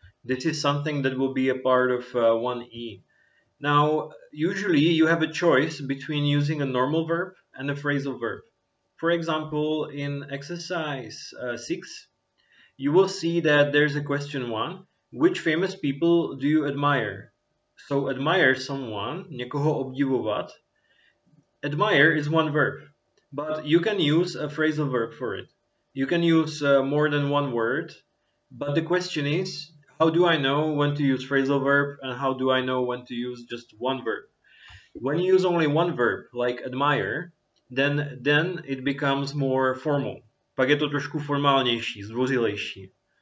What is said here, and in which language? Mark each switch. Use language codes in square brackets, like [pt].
[en] This is something that will be a part of 1e. Now, usually you have a choice between using a normal verb and a phrasal verb. For example, in exercise 6, you will see that there's a question 1, which famous people do you admire? So admire someone, [cs] někoho obdivovat. [en] Admire is one verb, but you can use a phrasal verb for it. You can use more than one word, but the question is, how do I know when to use phrasal verb and how do I know when to use just one verb? When you use only one verb, like admire, then it becomes more formal. [cs] Pak je to trošku formálnější, zdvořilejší.